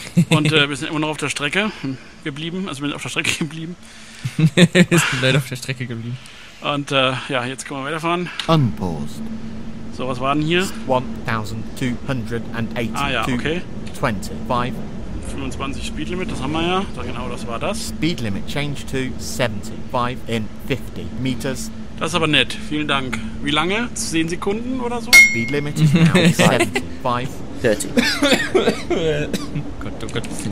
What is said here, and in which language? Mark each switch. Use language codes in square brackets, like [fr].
[de] Und wir sind immer noch auf der Strecke geblieben. Also wir sind auf der Strecke geblieben. Wir sind leider auf der Strecke geblieben. Und ja, jetzt können wir weiterfahren. [en] Unpaused. [de] So, was war denn hier? 1,282. Ah ja, okay. 25. 25 Speed Limit, das haben wir ja. So, genau, das war das. [en] Speed Limit change to 75 in 50 meters. [de] Das ist aber nett, vielen Dank. Wie lange? 10 Sekunden oder so? [en] Speed Limit is now 75. [de] 30. Gott, oh Gott, was ist denn